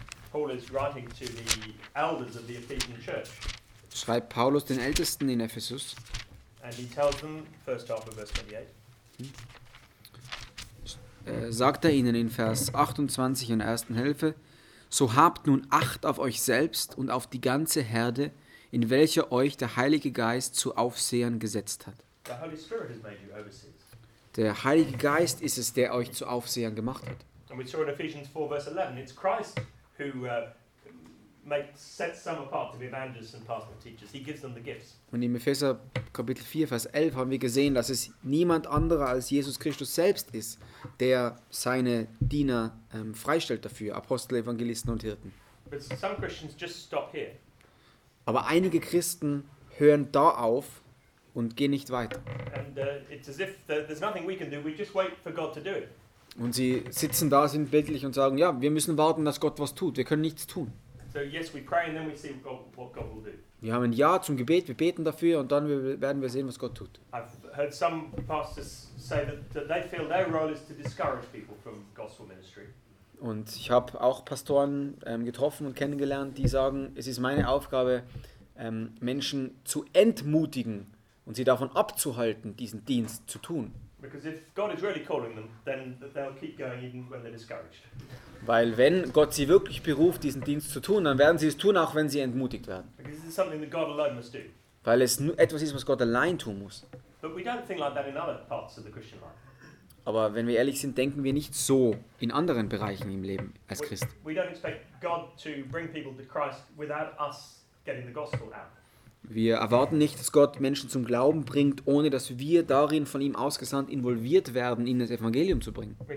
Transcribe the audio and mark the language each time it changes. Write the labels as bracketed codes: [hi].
[en] Paul is writing to the elders of the Ephesian church. [de] Schreibt Paulus den Ältesten in Ephesus. [en] And he tells them, first half of verse 28. [de] Sagt er ihnen in Vers 28 in der ersten Hälfte: So habt nun Acht auf euch selbst und auf die ganze Herde, in welcher euch der Heilige Geist zu Aufsehern gesetzt hat. [en] The Holy Spirit has made you overseers. [de] Der Heilige Geist ist es, der euch zu Aufsehern gemacht hat. [en] And we saw in Ephesians 4, verse 11, it's Christ who sets some apart to be evangelists and pastors and teachers. He gives them the gifts. [de] Und in Epheser Kapitel 4, Vers 11 haben wir gesehen, dass es niemand anderer als Jesus Christus selbst ist, der seine Diener freistellt dafür, Apostel, Evangelisten und Hirten. [en] But some Christians just stop here. [de] Aber einige Christen hören da auf und gehen nicht weiter. [en] And it's as if there's nothing we can do, we just wait for God to do it. [de] Und sie sitzen da, sind bildlich und sagen, ja, wir müssen warten, dass Gott was tut, wir können nichts tun. [en] So yes, we pray and then we see what God will do. [de] Wir haben ein Ja zum Gebet, wir beten dafür und dann werden wir sehen, was Gott tut. [en] I've heard some pastors say that they feel their role is to discourage people from gospel ministry. [de] Und ich habe auch Pastoren getroffen und kennengelernt, die sagen, es ist meine Aufgabe, Menschen zu entmutigen, und sie davon abzuhalten, diesen Dienst zu tun. [en] Because if God is really calling them, then they'll keep going even when they're discouraged. [de] Weil wenn Gott sie wirklich beruft, diesen Dienst zu tun, dann werden sie es tun, auch wenn sie entmutigt werden. [en] Because this is something that God alone must do. [de] Weil es etwas ist, was Gott allein tun muss. [en] But we don't think like that in other parts of the Christian life. [de] Aber wenn wir ehrlich sind, denken wir nicht so in anderen Bereichen im Leben als Christ. [en] We don't expect God to bring people to Christ without us getting the gospel out. [de] Wir erwarten nicht, dass Gott Menschen zum Glauben bringt, ohne dass wir darin von ihm ausgesandt involviert werden, ihnen das Evangelium zu bringen.